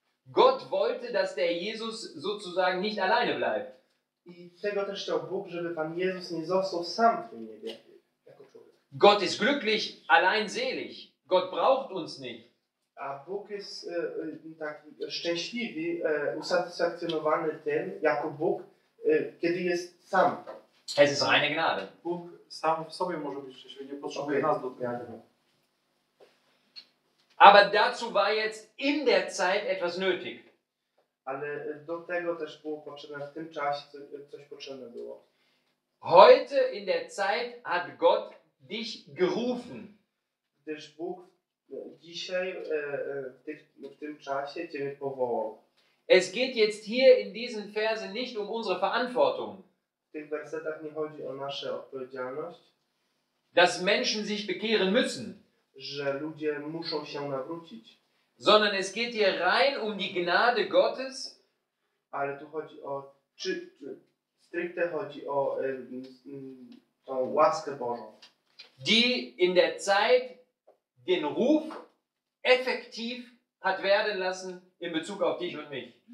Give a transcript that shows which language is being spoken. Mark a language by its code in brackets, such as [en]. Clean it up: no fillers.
[de] Gott wollte, dass der Jesus sozusagen nicht alleine bleibt. [pl] I tego też chciał Bóg, żeby Pan Jezus nie został sam w tym niebie, jako człowiek. [de] Gott ist glücklich, allein selig. Gott braucht uns nicht. [pl] A Bóg jest tak szczęśliwy, usatysfakcjonowany tym, jako Bóg, kiedy jest sam. [de] Es ist reine Gnade. [pl] Bóg sam w sobie może być szczęśliwy, nie potrzebuje nas do tego. [de] Aber dazu war jetzt in der Zeit etwas nötig. [pl] Ale do tego też było potrzebne, w tym czasie coś potrzebne było. [de] Heute in der Zeit hat Gott dich gerufen. [pl] Gdyż Bóg dzisiaj w tym czasie Ciebie powołał. [de] Es geht jetzt hier in diesen Versen nicht um unsere Verantwortung. [pl] W tych wersetach nie chodzi o nasze odpowiedzialność. [de] Dass Menschen sich bekehren müssen. [pl] Że ludzie muszą się nawrócić. [de] Sondern es geht hier rein um die Gnade Gottes. [pl] Ale tu chodzi o, stricte chodzi o tą łaskę Bożą. [de] Die in der Zeit den Ruf effektiv hat werden lassen in Bezug auf dich und mich.